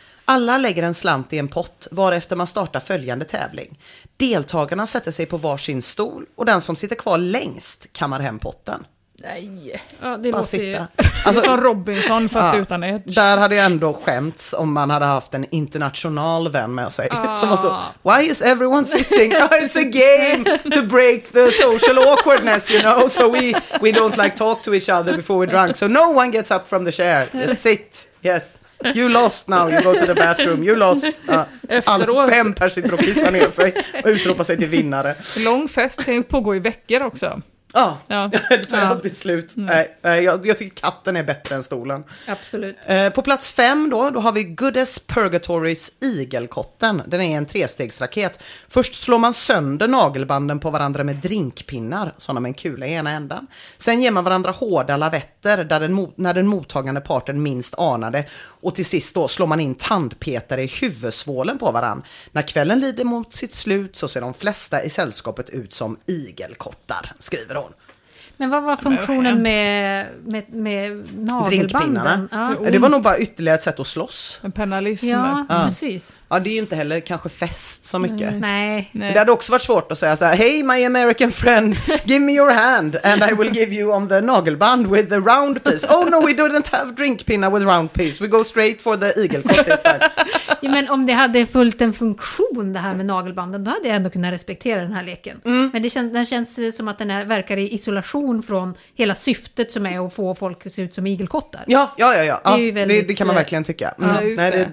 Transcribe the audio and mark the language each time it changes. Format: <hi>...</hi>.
<sv>Alla lägger en slant i en pott, varefter man startar följande tävling. Deltagarna sätter sig på varsin stol och den som sitter kvar längst kammar hem potten. Nej. Ja, det bara låter sitta. Ju alltså, som Robinson fast ja, utan ett. Där hade jag ändå skämts om man hade haft en international vän med sig. Ah. Som också,</sv> <en>why is everyone sitting? Oh, it's a game to break the social awkwardness, you know. So we don't like talk to each other before we're drunk. So no one gets up from the chair. Just sit. Yes. You lost now, you go to the bathroom. You lost.</en> <sv>All fem personer sitter och pissar ner sig och utropar sig till vinnare. Lång fest kan ju pågå i veckor också. Ja, det tar jag aldrig slut. Mm. Jag tycker katten är bättre än stolen. Absolut. På plats fem då har vi Goodness Purgatory's igelkotten. Den är en trestegsraket. Först slår man sönder nagelbanden på varandra med drinkpinnar, sådana med en kula i ena änden. Sen ger man varandra hårda lavetter där när den mottagande parten minst anade. Och till sist då slår man in tandpetare i huvudsvålen på varandra. När kvällen lider mot sitt slut så ser de flesta i sällskapet ut som igelkottar, skriver. Men vad var funktionen med nagelbanden? Drinkpinnarna. Ja, det var nog bara ytterligare ett sätt att slåss. En penalism. Ja, ja, precis. Ja, det är ju inte heller kanske fest så mycket. Nej. Det hade också varit svårt att säga så här,</sv> <en>hey my American friend, give me your hand and I will give you on the nagelband with the round piece. Oh no, we didn't have drinkpinna with round piece. We go straight for the igelkott</en> <sv>istället. Ja, men om det hade fullt en funktion det här med nagelbanden, då hade jag ändå kunnat respektera den här leken. Mm. Men den känns som att den här verkar i isolation från hela syftet som är att få folk att se ut som igelkottar. Ja. Det, ja, väldigt, det kan man verkligen tycka. Mm. Ja, nej,</sv>